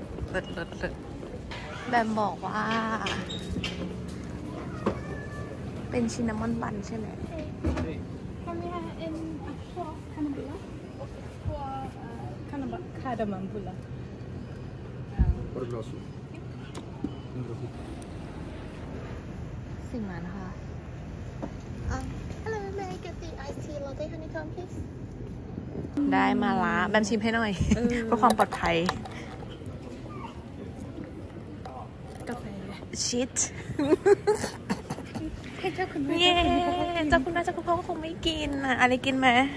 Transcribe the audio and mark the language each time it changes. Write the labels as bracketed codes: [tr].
[th] เลิศเลิศเลิศแบมบอกว่าเป็นชินนามอนบันใช่ไหมสิมานะคะ [en] Hello may I get the iced tea latte honeycomb please [th] ได้มาละแบมชิมให้หน่อยเพื่อความปลอดภัย กาแฟ ชิท ให้เจ้าคุณแม่เจ้าคุณแม่เจ้าคุณพ่อก็คงไม่กินอะไรกินไหม